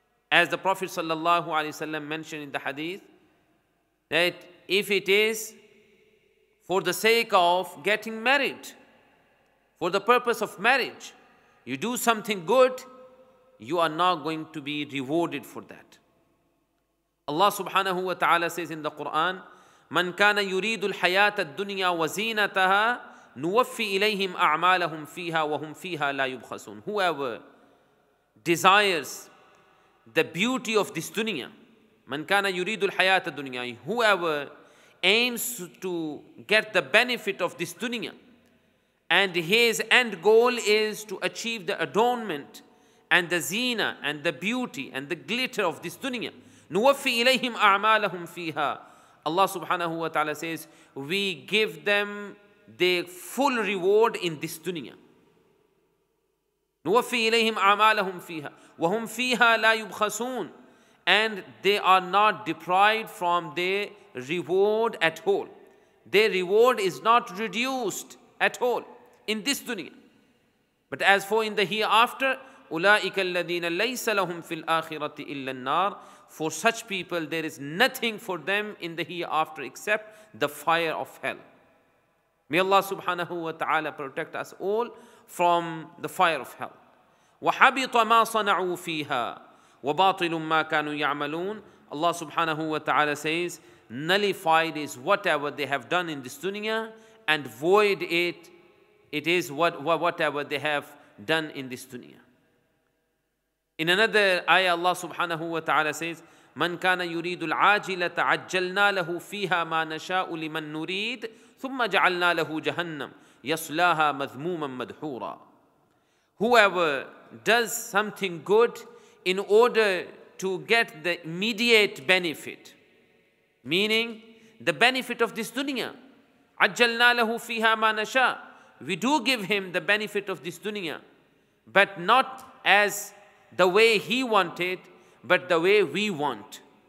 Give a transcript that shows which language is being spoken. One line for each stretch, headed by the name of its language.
English: As the Prophet sallallahu alaihi wasallam mentioned in the hadith, that if it is for the sake of getting married, for the purpose of marriage, you do something good, you are not going to be rewarded for that. Allah subhanahu wa ta'ala says in the Quran,
Arabic: مَنْ كَانَ يُرِيدُ الْحَيَاةَ الدُّنْيَا وَزِينَتَهَا نُوَفِّ إِلَيْهِمْ أَعْمَالَهُمْ فِيهَا وَهُمْ فِيهَا لَا يُبْخَسُونَ.
English: Whoever desires the beauty of this dunya,
Arabic: مَنْ كَانَ يُرِيدُ الْحَيَاةَ الدُّنْيَا,
English: whoever aims to get the benefit of this dunya, and his end goal is to achieve the adornment and the zina and the beauty and the glitter of this dunya,
Arabic: نُوَفِّ إِلَيْهِمْ أَعْمَالَهُمْ فِيهَا,
English: Allah subhanahu wa ta'ala says, we give them the full reward in this dunya.
Arabic: نُوَفِّي إِلَيْهِمْ أَعْمَالَهُمْ فِيهَا وَهُمْ فِيهَا لَا يُبْخَسُونَ.
English: And they are not deprived from their reward at all. Their reward is not reduced at all in this dunya. But as for in the hereafter,
Arabic: أُولَٰئِكَ الَّذِينَ لَيْسَ لَهُمْ فِي الْآخِرَةِ إِلَّا النَّارِ.
English: For such people, there is nothing for them in the hereafter except the fire of hell. May Allah subhanahu wa ta'ala protect us all from the fire of hell.
Arabic: وَحَبِطَ مَا صَنَعُوا فِيهَا وَبَاطِلٌ مَا كَانُوا يَعْمَلُونَ.
English: Allah subhanahu wa ta'ala says, nullified is whatever they have done in this dunya, and void it is whatever they have done in this dunya. In another ayah, Allah subhanahu wa ta'ala says,
Arabic: مَنْ كَانَ يُرِيدُ الْعَاجِلَةَ عَجَّلْنَا لَهُ فِيهَا مَا نَشَاءُ لِمَنْ نُرِيدُ ثُمَّ جَعَلْنَا لَهُ جَهَنَّمْ يَصْلَاهَا مَذْمُومًا مَدْحُورًا.
English: Whoever does something good in order to get the immediate benefit, meaning the benefit of this dunya,
Arabic: عَجَّلْنَا لَهُ فِيهَا مَا نَشَاءُ,
English: we do give him the benefit of this dunya, but not as the way he wanted, but the way we want.